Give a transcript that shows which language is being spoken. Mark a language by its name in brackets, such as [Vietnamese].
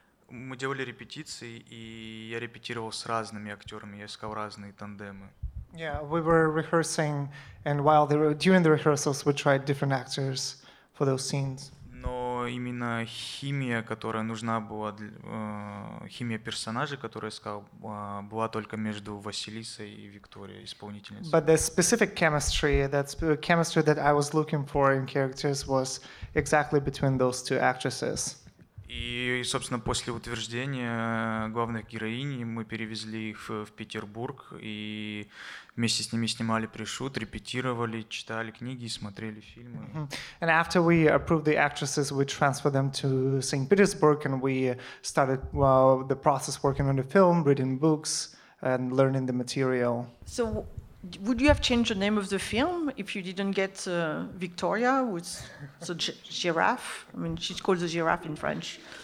[Russian] мы делали репетиции, и я репетировал с разными актерами, я искал разные тандемы. [English] Yeah, we were rehearsing, and during the rehearsals, we tried different actors for those scenes. [Russian] Но именно химия, которая нужна была, химия персонажей, которую я искал, была только между Василисой и Викторией, исполнительницей. [English] But the specific chemistry, that I was looking for in characters was exactly between those two actresses. [Russian] И, собственно, после утверждения главных героинь мы перевезли их в Петербург и вместе с ними снимали пришут, репетировали, читали книги, смотрели фильмы. [English] And after we approved the actresses, we transferred them to St. Petersburg and we started the process working on the film, reading books and learning the material. So would you have changed the name of the film if you didn't get Victoria, who's the giraffe? I mean, she's called the giraffe in French.